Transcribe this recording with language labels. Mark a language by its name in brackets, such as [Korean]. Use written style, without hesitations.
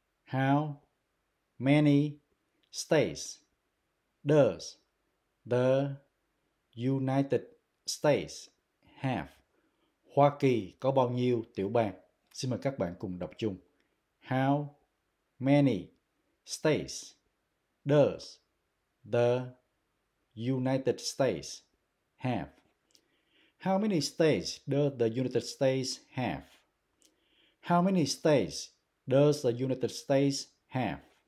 [English] How many states does the United States have? [Vietnamese] Hoa Kỳ có bao nhiêu tiểu bang? Xin mời các bạn cùng đọc chung. [English] How many states does the United States have? How many states does the United States have? How many states does the United States have?